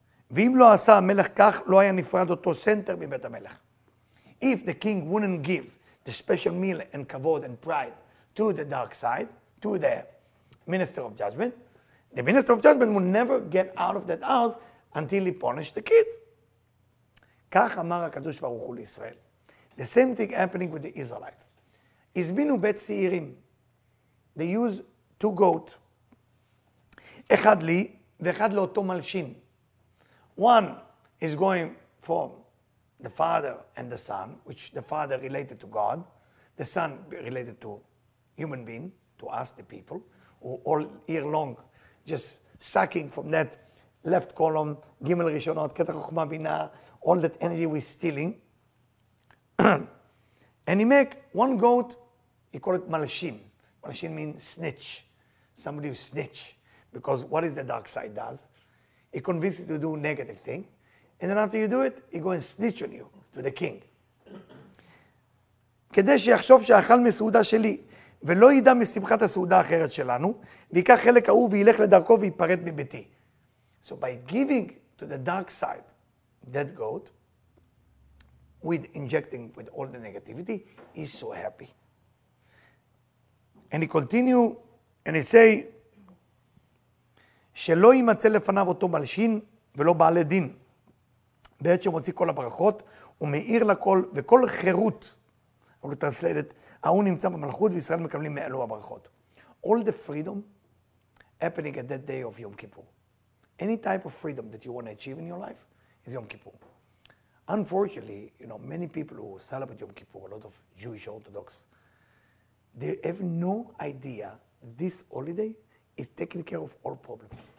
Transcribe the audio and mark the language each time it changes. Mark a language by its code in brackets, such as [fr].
[he] ואם לא עשה המלך כך, לא היה נפרד אותו סנטר מבית המלך. [en] If the king wouldn't give the special meal and kavod and pride to the dark side, to the minister of judgment, the minister of judgment will never get out of that house until he punished the kids. [he] כך אמר הקדוש ברוך הוא לישראל. [en] The same thing happening with the Israelites. [he] Izbinu bet seirim. [en] They use two goats. [he] Echad li, ואחד לאותו מלשין. [en] One is going from the father and the son, which the father related to God, the son related to human being, to us, the people, who all year long just sucking from that left column, Gimel Rishonot, Keter Chochma Bina, all that energy we're stealing. And he make one goat, he call it Malashim. Malashim means snitch, somebody who snitch. Because what is the dark side does? He convinces you to do a negative thing. And then after you do it, he go and snitch on you to the king. [he] כדי שיחשוב שאכל מסעודה שלי ולא ידע משמחת הסעודה האחרת שלנו, ויקח חלק ההוא וילך לדרכו ויפרד מביתי. [en] So by giving to the dark side, that goat, with injecting with all the negativity, he's so happy. And he continue, and he say, [he] שלא ימצא לפניו אותו מלשין ולא בעלי דין. בעת שמוציא כל הברכות, הוא מאיר לכל וכל חירות, הוא [en] translate it, [he] ההוא נמצא במלכות וישראל מקבלים מאלו הברכות. [en] All the freedom happening at that day of Yom Kippur. Any type of freedom that you want to achieve in your life is Yom Kippur. Unfortunately, you know, many people who celebrate Yom Kippur, a lot of Jewish Orthodox, they have no idea this holiday is taking care of all problems.